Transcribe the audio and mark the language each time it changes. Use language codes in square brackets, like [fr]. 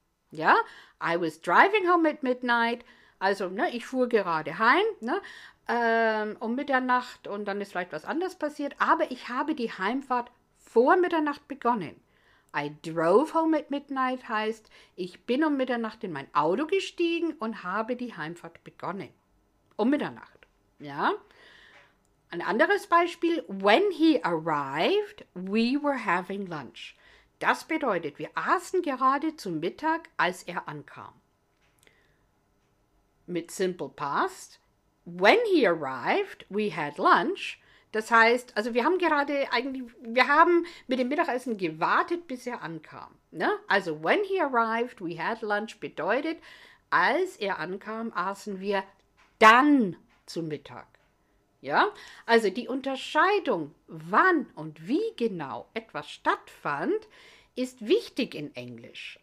[de] Ja, [en] I was driving home at midnight. [de] Also, ne, ich fuhr gerade heim, ne, um Mitternacht und dann ist vielleicht was anderes passiert, aber ich habe die Heimfahrt vor Mitternacht begonnen. [en] I drove home at midnight [de] heißt, ich bin um Mitternacht in mein Auto gestiegen und habe die Heimfahrt begonnen. Um Mitternacht. Ja. Ein anderes Beispiel, [en] when he arrived, we were having lunch. [de] Das bedeutet, wir aßen gerade zu Mittag, als er ankam. [en] Mit Simple Past, when he arrived, we had lunch. [de] Das heißt, also wir haben gerade eigentlich, wir haben mit dem Mittagessen gewartet, bis er ankam. Ne? Also [en] when he arrived, we had lunch [de] bedeutet, als er ankam, aßen wir dann zu Mittag. Ja, also die Unterscheidung, wann und wie genau etwas stattfand, ist wichtig in Englisch.